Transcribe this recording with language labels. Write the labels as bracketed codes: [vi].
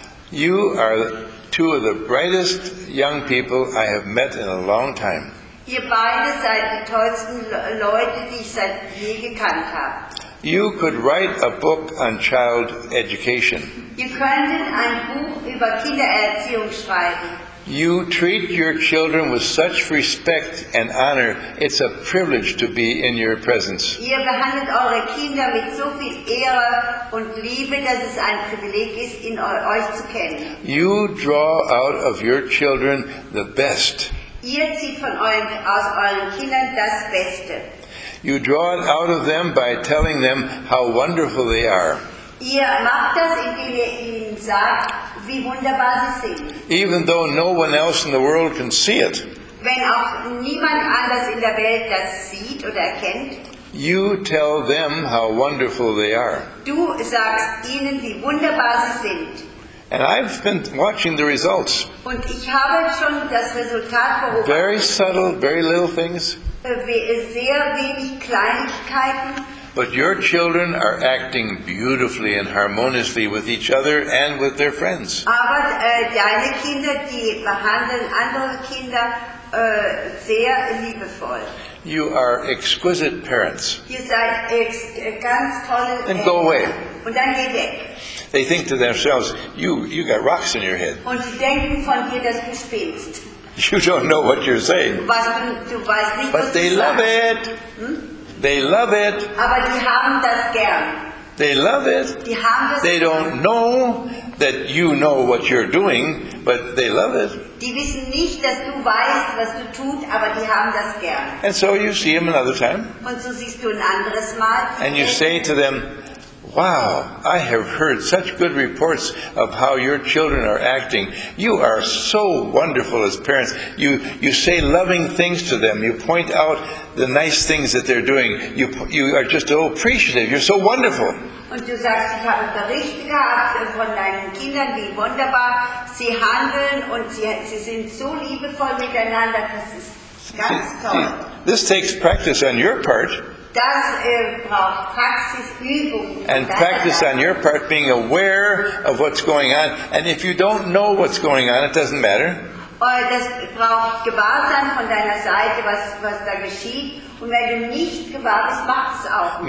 [en] you are two of the brightest young people I have met in a long time. [de] Ihr beide seid die tollsten Leute, die ich seit je gekannt habe. [en] You could write a book on child education. [de] Ihr könntet ein Buch über Kindererziehung schreiben. [en] You treat your children with such respect and honor. It's a privilege to be in your presence. [de] Ihr behandelt eure Kinder mit so viel Ehre und Liebe, dass es ein Privileg ist, in euch zu kennen. [en] You draw out of your children the best. [de] Ihr zieht von euren Kindern das Beste. [en] You draw it out of them by telling them how wonderful they are. [de] Ihr macht das, indem ihr ihnen sagt, wie wunderbar sie sind. [en] Even though no one else in the world can see it. [de] Wenn auch niemand anders in der Welt das sieht oder erkennt. [en] You tell them how wonderful they are. [de] Du sagst ihnen, wie wunderbar sie sind. [en] And I've been watching the results. [de] Und ich habe schon das Resultat beobachtet. [en] Very subtle, very little things. [de] Sehr wenig Kleinigkeiten. [en] But your children are acting beautifully and harmoniously with each other and with their friends. [de] Aber deine Kinder, die behandeln andere Kinder sehr liebevoll. [en] You are exquisite parents. [de] Ihr seid ganz tolle Eltern. [en] And go away. [de] Und dann geh weg. [en] They think to themselves, you got rocks in your head. [de] Und sie denken von dir, dass du spinnst. [en] You don't know what you're saying. [de] Du weißt nicht, [en] but [de] was [en] they [de] du [en] love [de] sagst. [en] It. They love it. [de] Aber die haben das gern. [en] They love it. [de] Die haben das [en] they don't Know that you know what you're doing, but they love it. [de] Die wissen nicht, dass du weißt, was du tust, aber die haben das gern. [en] And so you see them another time. [de] Und so siehst du ein anderes Mal. [en] And you say to them, wow, I have heard such good reports of how your children are acting. You are so wonderful as parents. You say loving things to them. You point out the nice things that they're doing. You are just so appreciative. You're so wonderful. [de] Und du sagst, ich habe Berichte gehabt von deinen Kindern, wie wunderbar sie handeln und sie sind so liebevoll miteinander. Das ist ganz toll. See, [en] this takes practice on your part. [de] Das braucht Praxis, Übung. [en] And practice on your part being aware of what's going on. And if you don't know what's going on, it doesn't matter. [de] Das braucht Gewahrsein von deiner Seite, was da geschieht. Und wenn du nicht gewahr bist, mach es auch nicht.